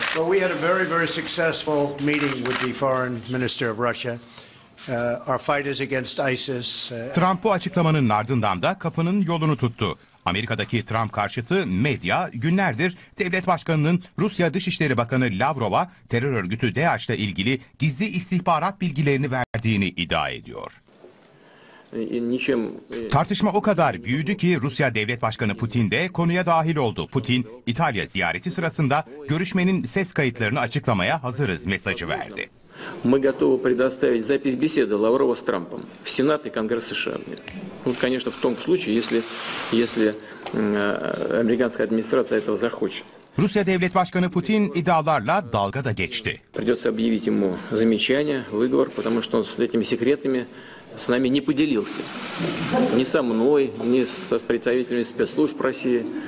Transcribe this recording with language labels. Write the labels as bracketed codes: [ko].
[en] So we had a very very successful meeting with the foreign minister of Russia. Our fight is against ISIS. [tr] Trump bu açıklamanın ardından da kapının yolunu tuttu. Amerika'daki Trump karşıtı medya günlerdir devlet başkanının Rusya Dışişleri Bakanı Lavrov'a terör örgütü DAEŞ ile ilgili gizli istihbarat bilgilerini verdiğini iddia ediyor. Tartışma o kadar büyüdü ki Rusya Devlet Başkanı Putin de konuya dahil oldu. Putin, İtalya ziyareti sırasında görüşmenin ses kayıtlarını açıklamaya hazırız mesajı verdi. [ru] Мы готовы предоставить запись беседы Лаврова с Трампом в Сенат и Конгресс США. Ну, конечно, в том случае, если американская администрация этого захочет. [tr] Rusya Devlet Başkanı Putin iddialarla dalga da geçti. [ru] Придётся объявить ему замечание, выговор, потому что он с этими секретами с нами не поделился. Ни со мной, ни с представителями спецслужб России.